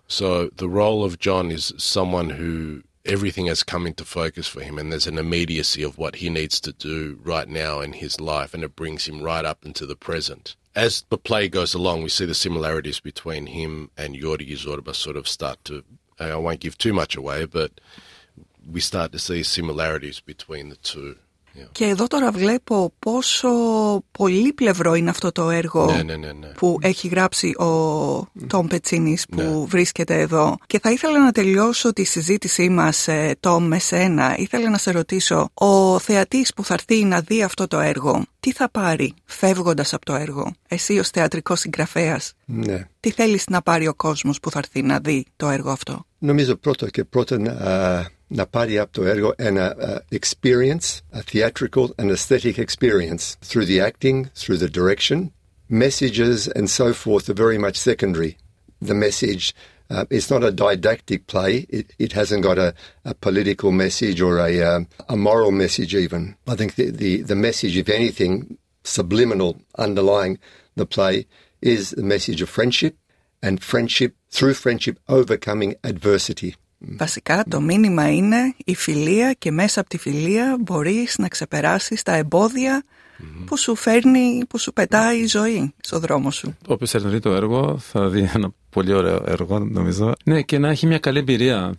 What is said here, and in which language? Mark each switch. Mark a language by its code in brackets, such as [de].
[en] So the role of John is someone who everything has come into focus for him, and there's an immediacy of what he needs to do right now in his life, and it brings him right up into the present. As the play goes along, we see the similarities between him and Yorgi Zorba sort of start to, I won't give too much away, but we start to see similarities between the two. [el] Και εδώ τώρα βλέπω πόσο πολύπλευρο είναι αυτό το έργο που έχει γράψει ο Τόμ Πετσίνης που βρίσκεται εδώ. Και θα ήθελα να τελειώσω τη συζήτησή μας, Τόμ, με σένα. Ήθελα να σε ρωτήσω, ο θεατής που θα έρθει να δει αυτό το έργο, τι θα πάρει φεύγοντας από το έργο, εσύ ως θεατρικός συγγραφέας? Ναι. Τι θέλεις να πάρει ο κόσμος που θα έρθει να δει το έργο αυτό? Νομίζω πρώτα να πάρει από το έργο ένα [en] experience, a theatrical and aesthetic experience through the acting, through the direction. Messages and so forth are very much secondary. The message, it's not a didactic play. It hasn't got a political message or a moral message even. I think the message, if anything, subliminal underlying the play is the message of friendship, and friendship, through friendship, overcoming adversity. [el] Βασικά το μήνυμα είναι η φιλία, και μέσα από τη φιλία μπορείς να ξεπεράσεις τα εμπόδια που σου φέρνει, που σου πετάει η ζωή στον δρόμο σου. Όποιος ερευνεί το έργο θα δει ένα πολύ ωραίο έργο, νομίζω. Ναι, και να έχει μια καλή εμπειρία.